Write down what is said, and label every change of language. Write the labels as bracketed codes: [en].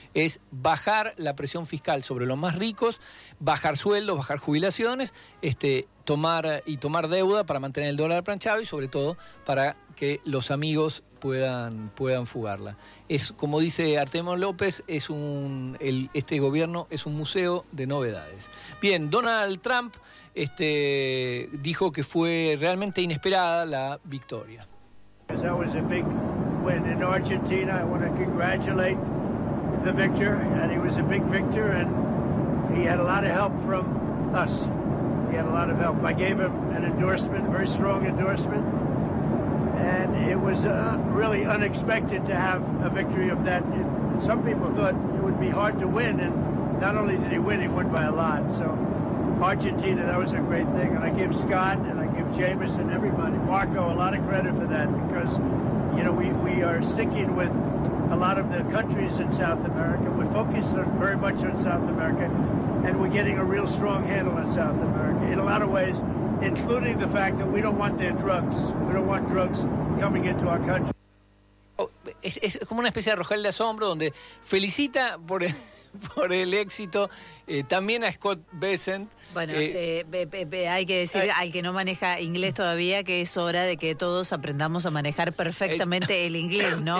[es] Es bajar la presión fiscal sobre los más ricos, bajar sueldos, bajar jubilaciones, tomar deuda para mantener el dólar planchado y sobre todo para que los amigos puedan fugarla. Es como dice Artemio López, este gobierno es un museo de novedades. Bien, Donald Trump dijo que fue realmente inesperada la victoria. [en] That was a big win in Argentina. I want to congratulate the victor, and he was a big victor, and he had a lot of help from us. He had a lot of help. I gave him an endorsement, very strong endorsement. And it was really unexpected to have a victory of that. Some people thought it would be hard to win, and not only did he win, he won by a lot. So Argentina, that was a great thing. And I give Scott and I give Jameis and everybody, Marco, a lot of credit for that, because, you know, we are sticking with a lot of the countries in South America. We're focused very much on South America, and we're getting a real strong handle on South America in a lot of ways, including the fact that we don't want their drugs. We don't want drugs coming into our country. [es] Es como una especie de rojal de asombro donde felicita por el éxito también a Scott Bessent. Bueno, hay que decir al que no maneja inglés todavía que es hora de que todos aprendamos a manejar perfectamente el inglés, ¿no?